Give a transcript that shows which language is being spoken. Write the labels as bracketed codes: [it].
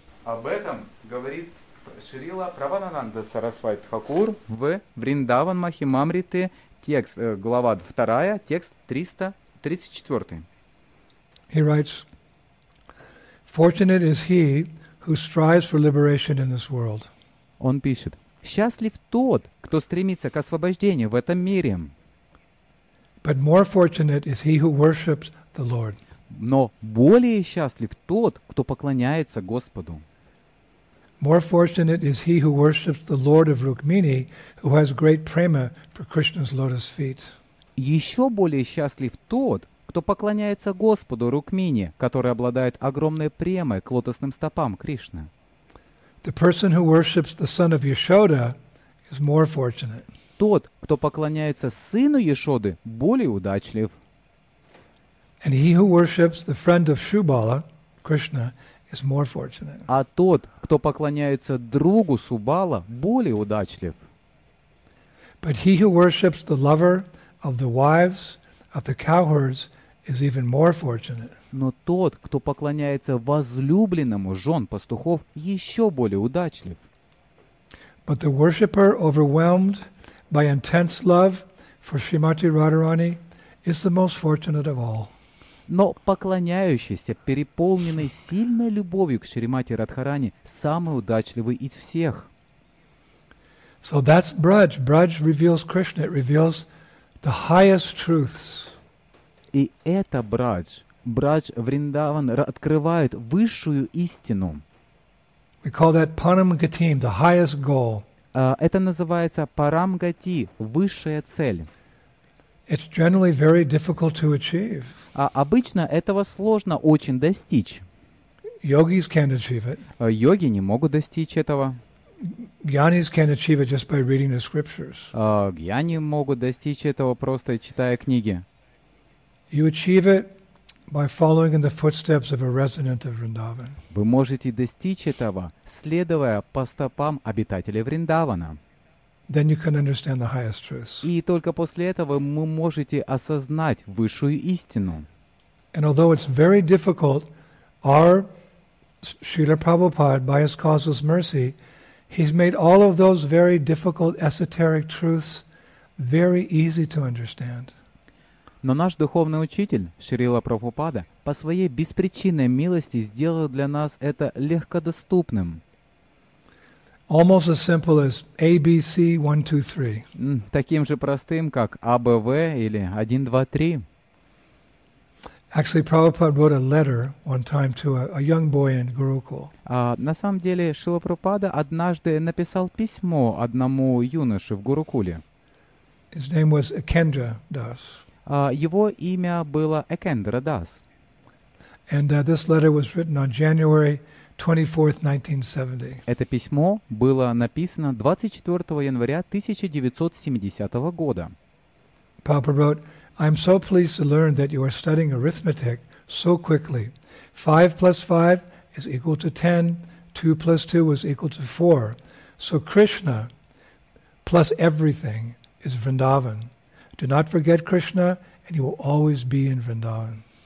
[ru] Об этом говорит Шрила Прабхананда Сарасвати Тхакур в Вриндаван Махимамрите, текст, глава 2, текст 334. [en] He writes, "Fortunate is he who strives for liberation in this world." [ru] Он пишет, «Счастлив тот, кто стремится к освобождению в этом мире». [en] But more fortunate is he who worships the Lord. [ru] Но более счастлив тот, кто поклоняется Господу. [en] More fortunate is he who worships the Lord of Rukmini, who has great prema for Krishna's lotus feet. [ru] Еще более счастлив тот, кто поклоняется Господу Рукмини, который обладает огромной премой к лотосным стопам Кришны. [en] The person who worships the son of Yashoda is more fortunate. [ru] Тот, кто поклоняется сыну Яшоды, более удачлив. [en] And he who worships the friend of Shubala, Krishna, is more fortunate. [ru] А тот, кто поклоняется другу Субала, более удачлив. [en] But he who worships the lover of the wives of the cowherds is even more fortunate. [ru] Но тот, кто поклоняется возлюбленному жен пастухов, еще более удачлив. [en] But the worshipper overwhelmed by intense love for Shrimati Radharani is the most fortunate of all. [ru] Но поклоняющийся, переполненный сильной любовью к Шримати Радхарани, самый удачливый из всех. [en] So that's Braj. Braj reveals Krishna. It reveals the highest truths. [ru] И это Брадж. Брадж Вриндаван открывает высшую истину. [en] We call that Panamgatim, the highest goal. [ru] Это называется Парамгати, высшая цель. [en] It's generally very difficult to achieve. [ru] А обычно этого сложно очень достичь. [en] Yogis can't achieve it. [ru] Йоги не могут достичь этого. [en] Gyanis can't achieve it just by reading the scriptures. [ru] Гьяни могут достичь этого просто читая книги. [en] You achieve it by following in the footsteps of a resident of Vrindavan. [ru] Вы можете достичь этого, следуя по стопам обитателей Вриндавана. [en] Then you can understand the highest truths. [ru] И только после этого вы можете осознать высшую истину. [en] And although it's very difficult, our Srila Prabhupada, by His causeless mercy, He's made all of those very difficult esoteric truths very easy to understand. [ru] Но наш духовный учитель, Шрила Прабхупада, по своей беспричинной милости сделал для нас это легкодоступным. [en] Almost as simple as ABC 1 2 3. [ru] Таким же простым, как АБВ или 1 2 3. [en] Actually, Prabhupada wrote a letter one time to a young boy in Gurukul. [ru] На самом деле, Шрила Прабхупада однажды написал письмо одному юноше в Гурукуле. [en] His name was Akendra Das. [ru] Его имя было Акендра Дас. [en] This letter was written on January 24th, 1970. [ru] Это письмо было написано 24 января 1970 года. [en] Prabhupada wrote, "I'm so pleased to learn that you are studying arithmetic so quickly. 5 plus 5 is equal to 10, 2 plus 2 is equal to 4. So Krishna plus everything is Vrindavan. Do not forget Krishna, and you will always be in Vrindavan."